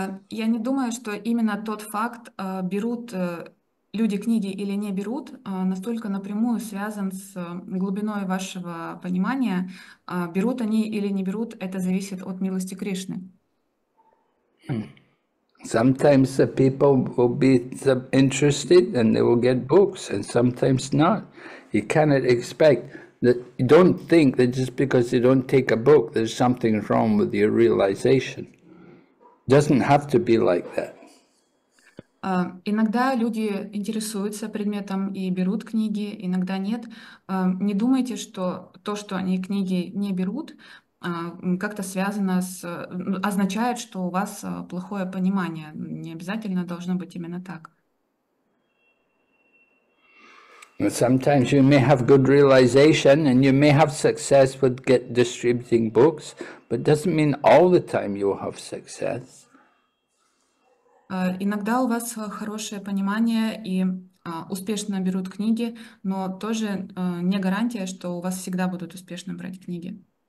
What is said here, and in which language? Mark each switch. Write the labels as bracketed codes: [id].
[ru] Я не думаю, что именно тот факт, берут люди книги или не берут, настолько напрямую связан с глубиной вашего понимания. Берут они или не берут, это зависит от милости Кришны. [en] Sometimes the people will be interested and they will get books, and sometimes not. You cannot expect that. You don't think that just because you don't take a book, there's something wrong with your realization. It doesn't have to be like that. [ru] Иногда люди интересуются предметом и берут книги, иногда нет. Не думайте, что то, что они книги не берут, как-то связано с... означает, что у вас плохое понимание. Не обязательно должно быть именно так. [en] Sometimes you may have good realization and you may have success with distributing books, but doesn't mean all the time you will have success. [ru] Иногда у вас хорошее понимание и успешно берут книги, но тоже не гарантия, что у вас всегда будут успешно брать книги.